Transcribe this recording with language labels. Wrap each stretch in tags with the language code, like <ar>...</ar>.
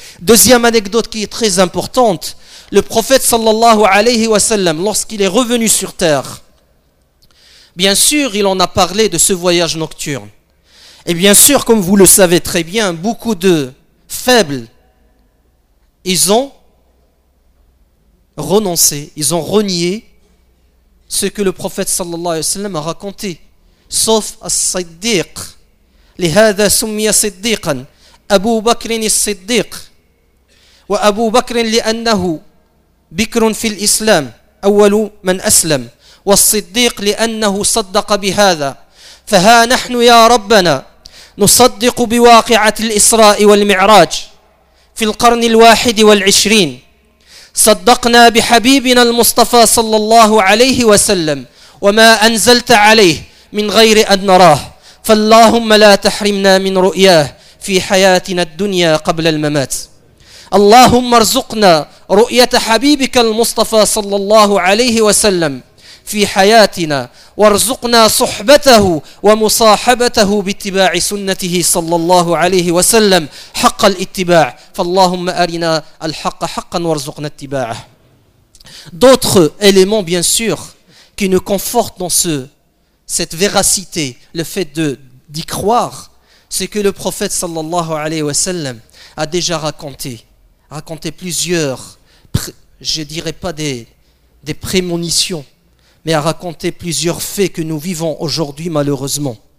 <fr>Deuxième anecdote qui est très importante, le prophète sallallahu alayhi wa sallam, lorsqu'il est revenu sur terre, bien sûr, il en a parlé de ce voyage nocturne. Et bien sûr, comme vous le savez très bien, beaucoup de faibles, ils ont renoncé, ils ont renié ce que le prophète sallallahu alayhi wa sallam a raconté. Sauf As-Siddiq.</fr> <ar>لهذا سمي صديقا أبو بكر الصديق وأبو بكر لأنه بكر في الإسلام أول من أسلم والصديق لأنه صدق بهذا فها نحن يا ربنا نصدق بواقعة الإسراء والمعراج في القرن الواحد والعشرين صدقنا بحبيبنا المصطفى صلى الله عليه وسلم وما أنزلت عليه من غير أن نراه فاللهم لا تحرمنا من رؤياه في حياتنا الدنيا قبل الممات اللهم ارزقنا رؤية حبيبك المصطفى صلى الله عليه وسلم في حياتنا وارزقنا صحبته ومصاحبته باتباع سنته صلى الله عليه وسلم حق الاتباع فاللهم أرنا الحق حقا وارزقنا اتباعه.</ar> <fr>D'autres éléments bien sûr qui nous confortent dans cette véracité, le fait d'y croire, c'est que le prophète sallallahu alayhi wa sallam a déjà raconté plusieurs, je dirais pas des prémonitions, mais a raconté plusieurs faits que nous vivons aujourd'hui malheureusement.</fr>